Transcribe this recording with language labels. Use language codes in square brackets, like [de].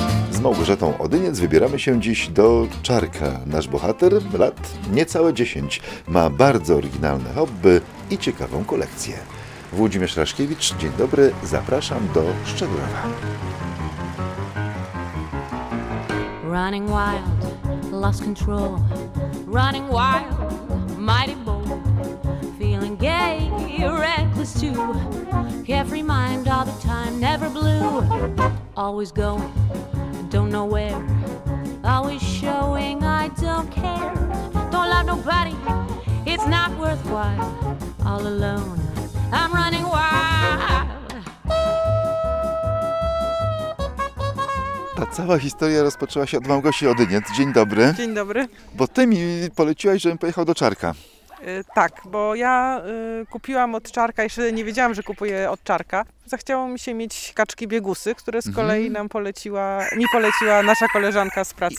[pl] Z Małgorzatą Odyniec wybieramy się dziś do Czarka. Nasz bohater, lat niecałe 10, ma bardzo oryginalne hobby i ciekawą kolekcję. Włodzimierz Raszkiewicz, dzień dobry, zapraszam do Szczegórowa. [en] Running wild, lost control, running wild, mighty bold, feeling gay, reckless too, carefree mind all the time, never blue, always going, don't know where, always showing I don't care, don't love nobody, it's not worthwhile, all alone, I'm running wild. [pl] Ta cała historia rozpoczęła się od Małgosi Odyniec. Dzień dobry. Dzień dobry. Bo ty mi poleciłaś, żebym pojechał do Czarka. Tak, bo ja kupiłam od Czarka, jeszcze nie wiedziałam, że kupuję od Czarka. Zachciało mi się mieć kaczki biegusy, które z kolei mi poleciła nasza koleżanka z pracy.